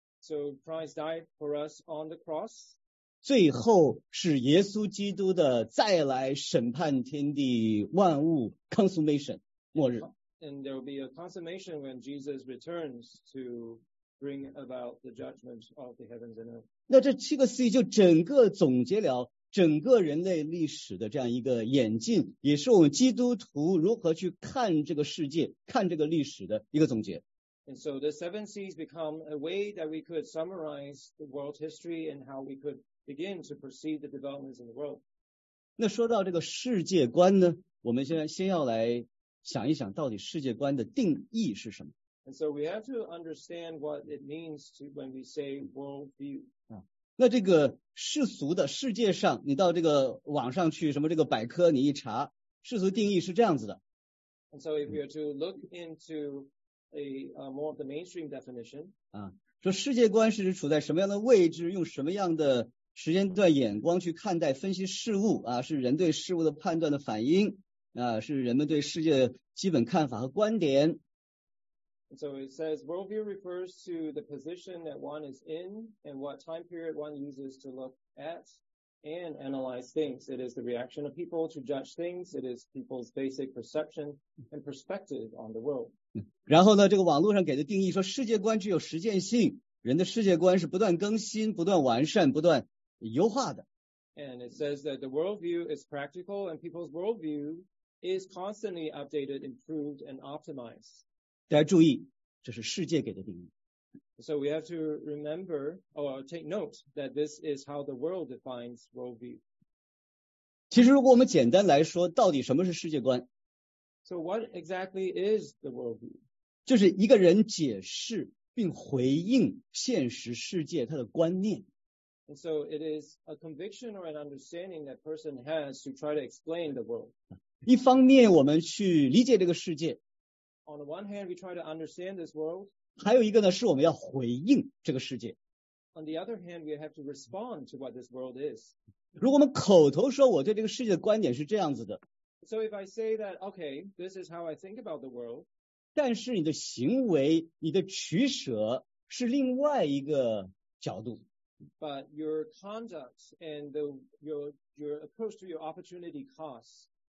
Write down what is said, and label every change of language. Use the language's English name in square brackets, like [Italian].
[English] so Christ died for us on the cross， [Chinese] 最后是耶稣基督的再来审判天地万物 consummation 末日 [English] ，and there will be a consummation when Jesus returns to。 Bring about the judgment of the heavens and earth. [Chinese] 那这七个 C 就整个总结了整个人类历史的这样一个演进，也是我们基督徒如何去看这个世界、看这个历史的一个总结。 [English] And so the seven C's become a way that we could summarize the world history and how we could begin to perceive the developments in the world. [Chinese] 那说到这个世界观呢，我们现在先要来想一想，到底世界观的定义是什么？ [English] And so we have to understand what it means to when we say worldview. [Chinese] 那这个世俗的世界上，你到这个网上去，什么这个百科，你一查，世俗定义是这样子的。 [English] And so if you were to look into a more of the mainstream definition, [Chinese] 说世界观是指处在什么样的位置，用什么样的时间段眼光去看待、分析事物啊，是人对事物的判断的反应啊，是人们对世界的基本看法和观点。 [English] So it says worldview refers to the position that one is in and what time period one uses to look at and analyze things. It is the reaction of people to judge things. It is people's basic perception and perspective on the world. [Chinese] 然后呢，这个网络上给的定义说，世界观具有实践性，人的世界观是不断更新、不断完善、不断优化的。 [English] And it says that the worldview is practical and people's worldview is constantly updated, improved, and optimized. [Chinese] 大家注意，这是世界给的定义。 [English] So we have to remember or take note that this is how the world defines worldview. [Chinese] 其实，如果我们简单来说，到底什么是世界观 [English] ？So what exactly is the worldview? [Chinese] 就是一个人解释并回应现实世界他的观念。 [English] And so it is a conviction or an understanding that person has to try to explain the world. [Chinese] 一方面我们去理解这个世界, [English] on the one hand, we try to understand this world. [Chinese] 还有一个呢, [English] on the other hand, we have to respond to what this world is. [Chinese] 如果我们口头说我对这个世界的观点是这样子的, [English] so if I say that, okay, this is how I think about the world. [Chinese] 但是你的行为,你的取舍是另外一个角度。 [English] But your conduct and the, your approach to your opportunity costs.